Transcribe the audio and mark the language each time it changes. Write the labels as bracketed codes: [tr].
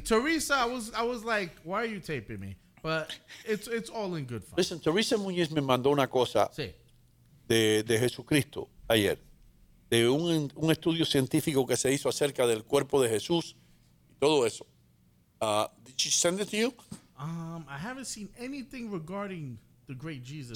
[en] Teresa, I was like, why are you taping me? But it's all in good fun. [es] Listen, Teresa Muñiz me mandó una cosa. Sí. De Jesucristo ayer, de un estudio científico que se hizo acerca del cuerpo de Jesús y todo eso. [en] Did she send it to you? I haven't seen anything regarding the great Jesus.